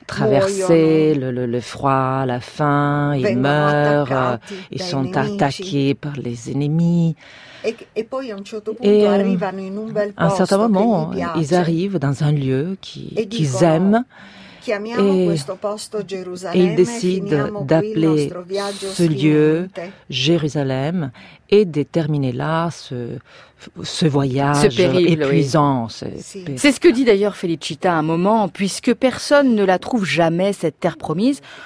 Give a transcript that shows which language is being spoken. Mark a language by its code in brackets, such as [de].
[fr] traverser le froid, la faim, ils meurent, ils sont [it] nemici. [fr] Attaqués par les ennemis. [it] Et poi a un certo punto arrivano in un bel posto. [fr] À un certain moment, ils arrivent dans un lieu qu'ils aiment. [it] Chiamiamo questo posto Gerusalemme. [fr] Ils décident d'appeler ce lieu Jérusalem et de terminer là ce voyage ce périple, épuisant. Oui. C'est ce que dit d'ailleurs Felicita à un moment, puisque personne ne la trouve jamais cette terre promise.